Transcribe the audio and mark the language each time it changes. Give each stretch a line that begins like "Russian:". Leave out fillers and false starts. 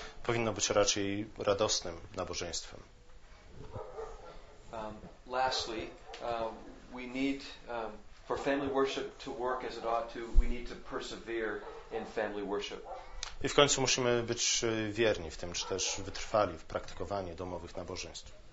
Polish: Powinno być raczej radosnym nabożeństwem.
English: Lastly, we need for family worship to work as it ought to, we need to persevere in family worship.
Polish: I w końcu musimy być wierni w tym, czy też wytrwali w praktykowaniu domowych nabożeństw.